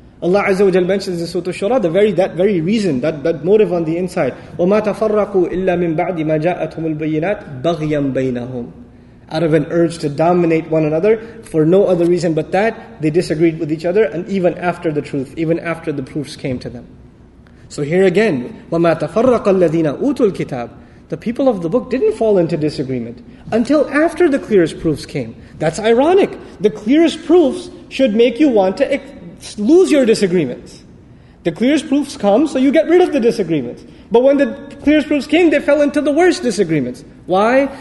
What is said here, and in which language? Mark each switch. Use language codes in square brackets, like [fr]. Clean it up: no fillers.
[en] Allah Azza wa Jalla mentions in Surah Al-Shura that very reason, that motive on the inside. [ar] وَمَا تَفَرَّقُوا إِلَّا مِنْ بَعْدِ مَا جَاءَتْهُمُ الْبَيِّنَاتِ بَغْيًا بَيْنَهُمْ. [en] Out of an urge to dominate one another, for no other reason but that, they disagreed with each other, and even after the truth, even after the proofs came to them. So here again, [ar] وَمَا تَفَرَّقَ الَّذِينَ أُوتُوا الْكِتَابِ. [en] The people of the book didn't fall into disagreement until after the clearest proofs came. That's ironic. The clearest proofs should make you want to lose your disagreements. The clearest proofs come, so you get rid of the disagreements. But when the clearest proofs came, they fell into the worst disagreements. Why?